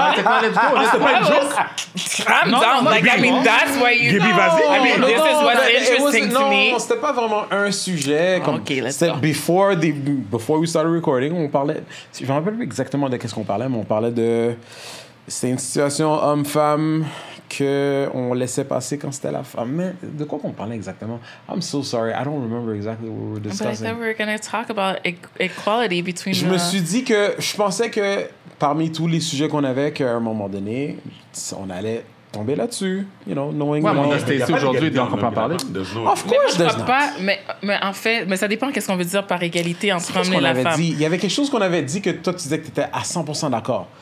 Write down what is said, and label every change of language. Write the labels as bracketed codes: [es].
[fr] C'était pas vraiment un sujet. Comme, [en] OK, let's [fr] c'était [en] go. Before we started recording, [fr] on parlait... Je me rappelle plus exactement de qu'est-ce qu'on parlait, mais on parlait de... C'était une situation homme-femme qu'on laissait passer quand c'était la femme. Mais de quoi qu'on parlait exactement? [en] I'm so sorry, I don't remember exactly what we were discussing. But I thought we were going to talk about equality between... [fr] Je me suis dit que... Je pensais que parmi tous les sujets qu'on avait, qu'à un moment donné, on allait tomber là-dessus. [en] You know, knowing... [fr] Ouais, mais on a testé aujourd'hui, donc on peut en parler. [en] Of course, there's not. [fr] Pas, mais en fait, mais ça dépend qu'est-ce qu'on veut dire par égalité entre homme et la femme. Dit. Il y avait quelque chose qu'on avait dit que toi, tu disais que tu étais à 100% d'accord.